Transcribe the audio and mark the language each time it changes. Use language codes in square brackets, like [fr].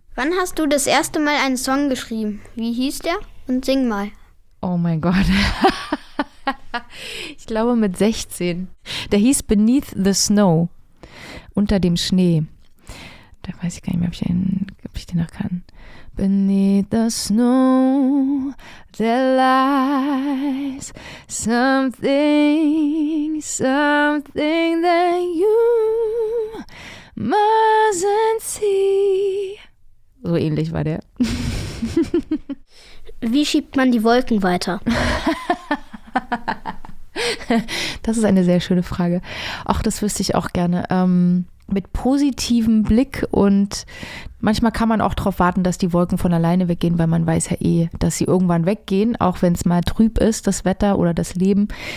[de] Wann hast du das erste Mal einen Song geschrieben? Wie hieß der? Und sing mal. Oh mein Gott. Ich glaube mit 16. Der hieß Beneath the Snow, unter dem Schnee. Da weiß ich gar nicht mehr, ob ich den noch kann. [en] Beneath the snow there lies something, something that you mustn't see. [de] So ähnlich war der. Wie schiebt man die Wolken weiter? Das ist eine sehr schöne Frage. Ach, das wüsste ich auch gerne. Mit positivem Blick und manchmal kann man auch darauf warten, dass die Wolken von alleine weggehen, weil man weiß ja eh, dass sie irgendwann weggehen, auch wenn es mal trüb ist, das Wetter oder das Leben.